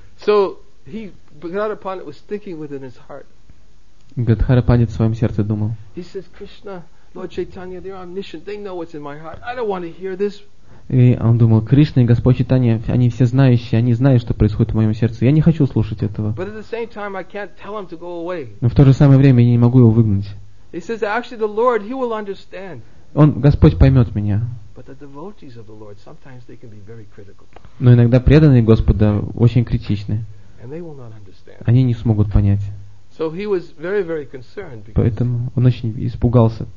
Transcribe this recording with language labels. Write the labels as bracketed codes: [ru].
[en] So he Гададхара Пандит was thinking within his heart. [ru] Гадхара Пандит в своем сердце думал. [en] He says, Krishna, Lord Chaitanya, they're omniscient. They know what's in my heart. I don't want to hear this. [ru] И он думал, Кришна и Господь Чайтанья, они все знающие, они знают, что происходит в моем сердце. Я не хочу слушать этого. [en] But at the same time, I can't tell him to go away. [ru] Но в то же самое время я не могу его выгнать. [en] He says, actually, the Lord, He will understand. [ru] Он, Господь, поймет меня. [en] But the devotees of the Lord, sometimes they can be very critical. [ru] Но иногда преданные Господа очень критичны. [en] And they will not understand. [ru] Они не смогут понять. [en] So he was very, very concerned because [ru] поэтому он очень испугался.